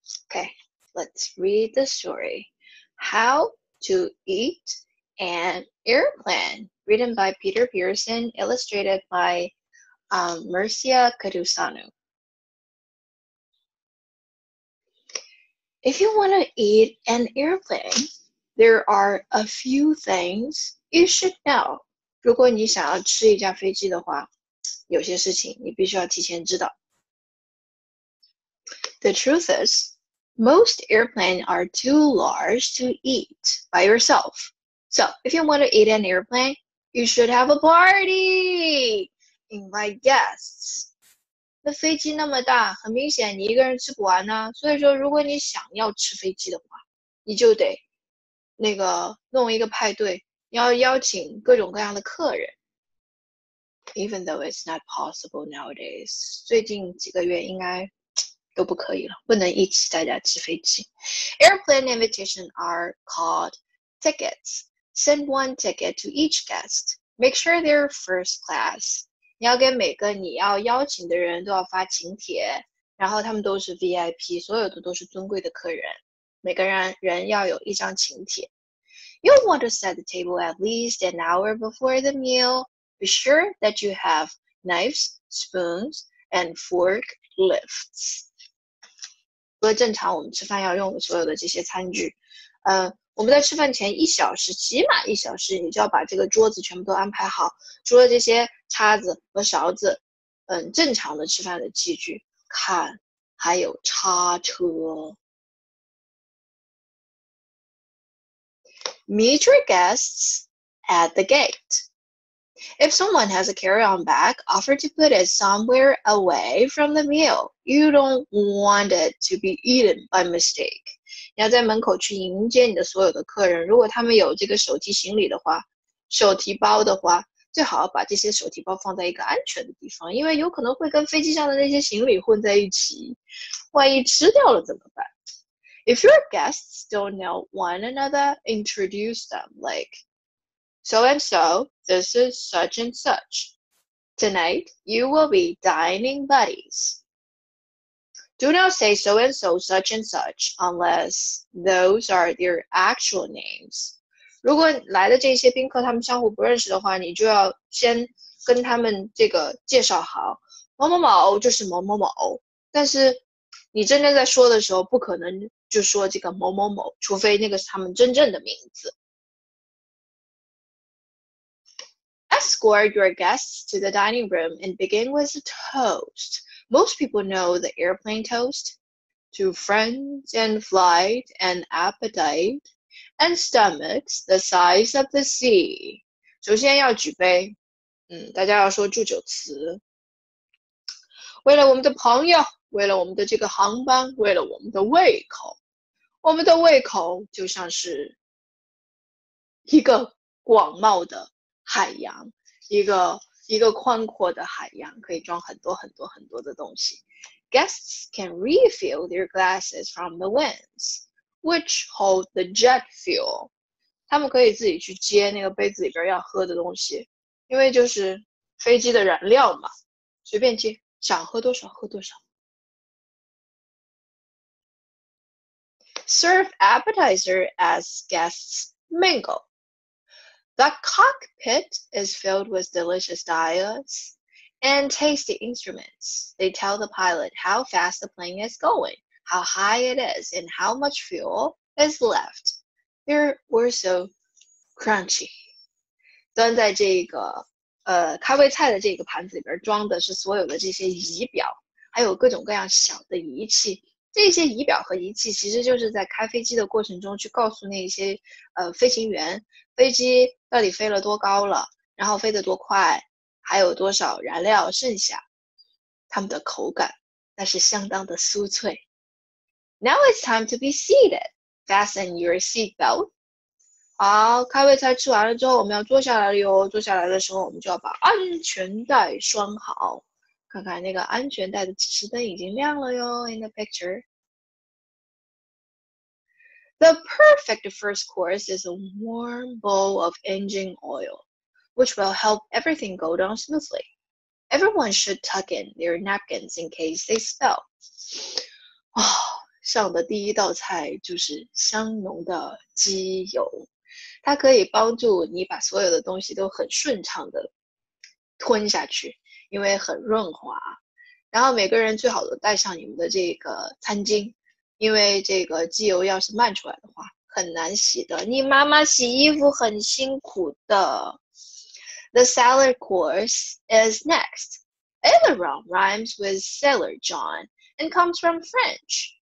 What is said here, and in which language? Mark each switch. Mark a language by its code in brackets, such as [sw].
[en] Okay, let's read the story. How to Eat an Airplane, written by Peter Pearson, illustrated by Mercia Kadusanu. If you want to eat an airplane, there are a few things you should know. [zh] 如果你想要吃一架飞机的话，有些事情你必须要提前知道。 [en] The truth is, most airplanes are too large to eat by yourself. So, if you want to eat an airplane, you should have a party! Invite guests. [zh] 那飞机那么大，很明显你一个人吃不完呢。所以说，如果你想要吃飞机的话，你就得那个弄一个派对，要邀请各种各样的客人。 [en] Even though it's not possible nowadays, [zh] 最近几个月应该都不可以了，不能一起大家吃飞机。 [en] Airplane invitations are called tickets. Send one ticket to each guest. Make sure they're first class. [zh] 你要给每个你要邀请的人都要发请帖，然后他们都是 VIP， 所有的都是尊贵的客人，每个人要有一张请帖。 [en] You'll want to set the table at least an hour before the meal. Be sure that you have knives, spoons, and fork lifts. [zh] 除了正常我们吃饭要用的所有的这些餐具，我们在吃饭前一小时，起码一小时，你就要把这个桌子全部都安排好，除了这些叉子和勺子，正常的吃饭的器具，看，还有叉车。 [en] Meet your guests at the gate. If someone has a carry-on bag, offer to put it somewhere away from the meal. You don't want it to be eaten by mistake. [zh] 你要在门口去迎接你的所有的客人，如果他们有这个手提行李的话，手提包的话，最好把这些手提包放在一个安全的地方，因为有可能会跟飞机上的那些行李混在一起，万一吃掉了怎么办？ [en] If your guests don't know one another, introduce them like, so and so, this is such and such. Tonight, you will be dining buddies. Do not say so-and-so, such-and-such, unless those are their actual names. [zh] 如果来的这些宾客他们相互不认识的话，你就要先跟他们这个介绍好，某某某就是某某某，但是你真正在说的时候不可能就说这个某某某，除非那个是他们真正的名字。 [en] Escort your guests to the dining room and begin with a toast. Most people know the airplane toast to friends and flight and appetite and stomachs the size of the sea. [zh] 首先要举杯，大家要说祝酒词。为了我们的朋友，为了我们的这个航班，为了我们的胃口。我们的胃口就像是一个广袤的海洋，一个宽阔的海洋，可以装很多很多很多的东西。 [en] Guests can refill their glasses from the winds, which hold the jet fuel. [zh] 他们可以自己去接那个杯子里边要喝的东西，因为就是飞机的燃料嘛，随便接，想喝多少喝多少。 [en] Serve appetizer as guests mingle. The cockpit is filled with delicious dishes and tasty instruments. They tell the pilot how fast the plane is going, how high it is, and how much fuel is left. They're also crunchy. [zh] 端在这个咖啡菜的这个盘子里边装的是所有的这些仪表，还有各种各样小的仪器。这些仪表和仪器其实就是在开飞机的过程中去告诉那些飞行员飞机到底飞了多高了，然后飞得多快，还有多少燃料剩下。它们的口感那是相当的酥脆。 [en] Now it's time to be seated. Fasten your seatbelt. [zh] 好，开胃菜吃完了之后，我们要坐下来了哟。坐下来的时候，我们就要把安全带拴好。看看那个安全带的指示灯已经亮了哟。 [en] In the picture, the perfect first course is a warm bowl of engine oil, which will help everything go down smoothly. Everyone should tuck in their napkins in case they spill. [zh] 哦，上的第一道菜就是香浓的鸡油。它可以帮助你把所有的东西都很顺畅的吞下去，因为很润滑。然后每个人最好都带上你们的这个餐巾，因为这个机油要是漫出来的话很难洗的。你妈妈洗衣服很辛苦的。 [en] The salad course is next. Aileron rhymes with Sailor John and comes from French.